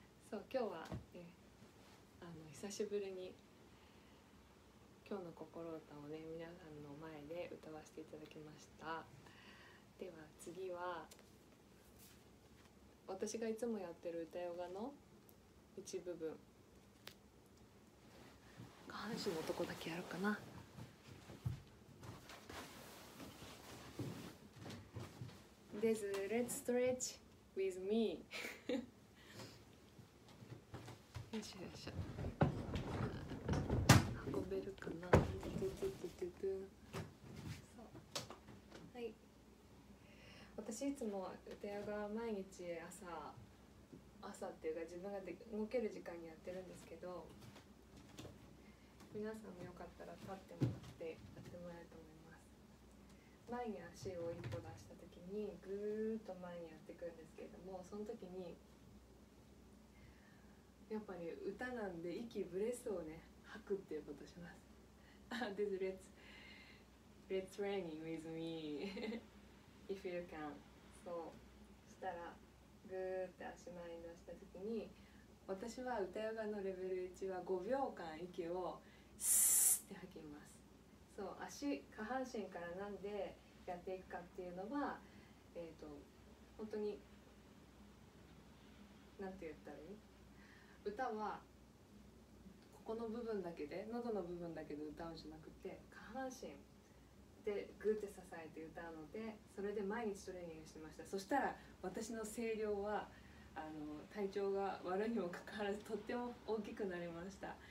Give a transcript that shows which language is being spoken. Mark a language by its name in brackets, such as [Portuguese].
[Japanese] そう、今日は、ね、久しぶりに今日の心歌をね、皆さんの前で歌わせていただきました。では次は私がいつもやってる歌ヨガの一部分、下半身のとこだけやろうかな。 [English] This let's stretch with me. [Japanese] よしよし。運べるかな。そう、はい、私いつも歌ヨガ毎日朝っていうか自分が動ける時間にやってるんですけど、皆さんもよかったら立ってもらってやってもらえると思います。前に足を一歩出した時にぐーっと前にやってくるんですけれども、その時にやっぱり歌なんで息ブレスをね吐くっていうことします。 [English] This let's training with me if you can。 [Japanese] そうしたらぐーって足前に出した時に、私は歌ヨガのレベル1は5秒間息をスーって吐きます。そう、足下半身からなんでやっていくかっていうのは、本当に何て言ったらいい、歌はここの部分だけで、喉の部分だけで歌うんじゃなくて、下半身でグーって支えて歌うので、それで毎日トレーニングしてました。そしたら私の声量は体調が悪いにもかかわらずとっても大きくなりました。